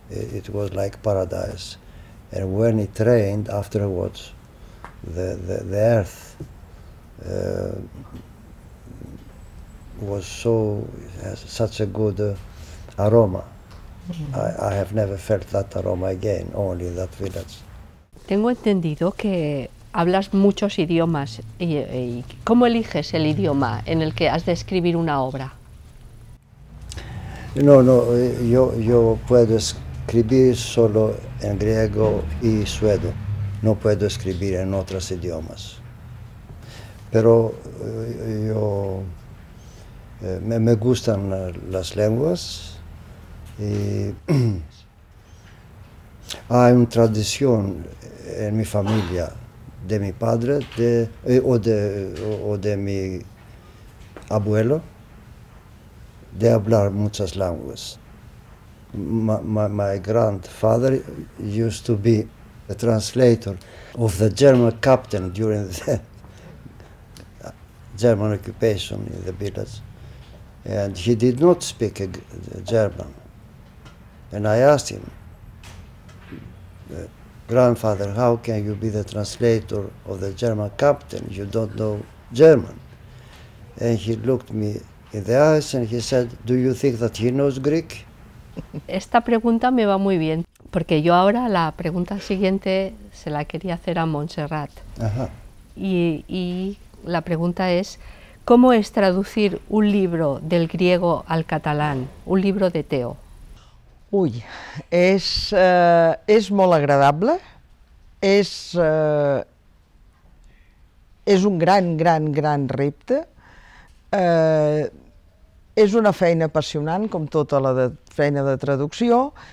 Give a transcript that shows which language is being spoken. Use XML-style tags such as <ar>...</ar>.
<en>It was like paradise, and when it rained afterwards, the earth. Was so has such a good aroma. I have never felt that aroma again, only in that village.</en> <es>Tengo entendido que hablas muchos idiomas. Y ¿cómo eliges el idioma en el que has de escribir una obra? No, yo puedo escribir solo en griego y suedo. No puedo escribir en otros idiomas. Pero yo me gustan las lenguas y hay una tradición en mi familia de mi padre o de mi abuelo de hablar muchas lenguas.</es> <en>My grandfather used to be a translator of the German captain during the German occupation in the village. And he did not speak German. And I asked him, grandfather, how can you be the translator of the German captain? You don't know German. And he looked me in the eyes and he said, do you think that he knows Greek?</en> <es>Esta pregunta me va muy bien, porque yo ahora la pregunta siguiente se la quería hacer a Montserrat. Y la pregunta es, ¿cómo es traducir un libro del griego al catalán, un libro de Teo?</es> <ca>Ui, és molt agradable, és un gran repte, és una feina apassionant, com tota la feina de traducció,</ca>